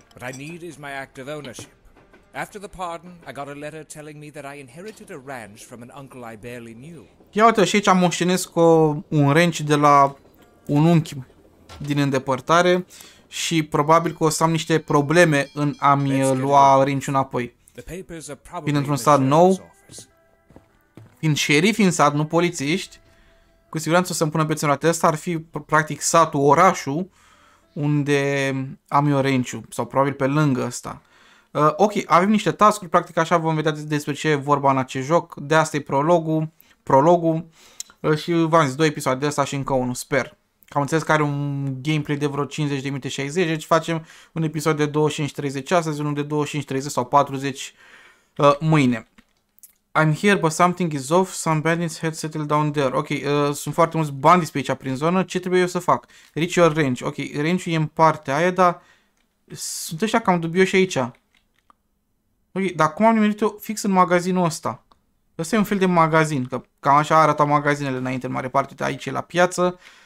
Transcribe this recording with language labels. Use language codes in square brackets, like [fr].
[en] What I need is my act of ownership. After the pardon, I got a letter telling me that I inherited a ranch from an uncle I barely knew. [ro] Ia uite, și aici am moștenit un ranch de la un unchi din îndepărtare și probabil că o să am niște probleme în a-mi lua ranchul înapoi. Fiind într-un sat nou, fiind șerif în sat, nu polițiști, cu siguranță o să-mi pună pe ținutate. Asta ar fi practic satul, orașul, unde am eu range-ul, sau probabil pe lângă ăsta. Ok, avem niște task-uri, practic așa vom vedea despre ce e vorba în acest joc. De asta e prologul și v-am zis, două episoade de ăsta și încă unul, sper. Am înțeles că are un gameplay de vreo 50 de minute 60, deci facem un episod de 25-30 astăzi, unul de 25-30 sau 40 mâine. [en] I'm here, but something is off. Some bandits had settled down there. [ro] Ok, sunt foarte mulți bandits pe aici prin zonă. Ce trebuie eu să fac? [en] Reach your range. [ro] Ok, range-ul e în partea aia, dar sunt ăștia cam dubioși aici. Ok, dar cum am nimerit-o fix în magazinul ăsta? Ăsta e un fel de magazin, că cam așa arătau magazinele înainte, în mare parte, de aici la piață.